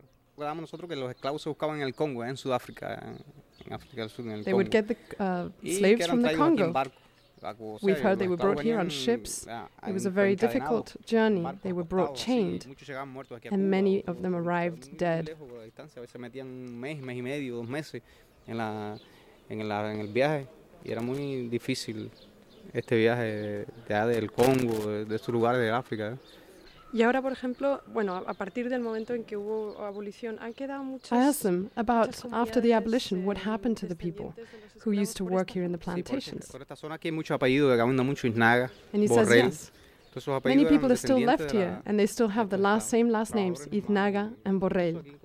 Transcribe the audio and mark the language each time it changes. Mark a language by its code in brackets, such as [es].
[es] Recordamos nosotros que los esclavos se buscaban en el Congo, en Sudáfrica, en África del Sur, en el [en] They would get the slaves from the Congo. We've heard they were brought here on ships. It was a very difficult journey. They were brought chained, and many of them arrived dead. [es] A veces metían un mes, mes y medio, dos meses en el viaje, y era muy difícil este viaje del Congo, de estos lugares de África. Y ahora, por ejemplo, bueno, a partir del momento en que hubo abolición, han quedado muchas. [en] I asked them about after the abolition, what happened to the people who used to work here in the plantations. [es] Por esta zona aquí hay mucho apellido de Gabunda, mucho Isnaga, Borrell. [en] Many people are still left here, and they still have the same last names, Isnaga and Borrell.